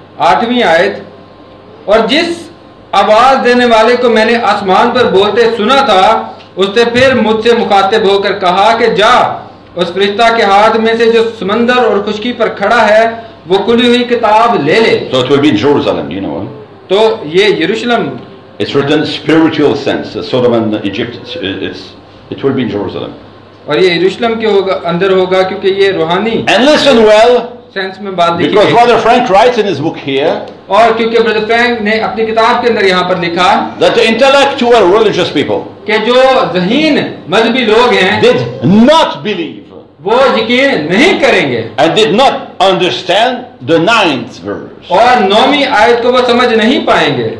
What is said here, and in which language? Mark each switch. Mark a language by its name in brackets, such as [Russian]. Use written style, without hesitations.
[Hindi] आठवीं आयत और जिस आवाज देने वाले को मैंने आसमान पर बोलते सुना था उसने फिर मुझसे मुखातिब होकर कहा कि जा उस फरिश्ता के हाथ में से जो समंदर और खुशकी पर खड़ा है वो खुली हुई किताब ले ले [English] so it will be in Jerusalem, you know. [Hindi] तो ये यरूशलम [English] it's written spiritual sense Sodom and Egypt it's it will be in Jerusalem [Hindi] और ये यरूशलम के होगा अंदर होगा क्योंकि ये रूहानी [English] and listen well [Hindi] sense में बात लिखी [English] because brother Frank writes in his book here [Hindi] और क्योंकि brother Frank ने अपनी किताब के अंदर यहां पर लिखा [English] that the intellectual religious people [Hindi] के जो ज़हीन मज़हबी लोग हैं [English] did not believe [Hindi] वो यकीन नहीं करेंगे [English] and did not understand the ninth verse [Hindi] और नौवीं आयत को वो समझ नहीं पाएंगे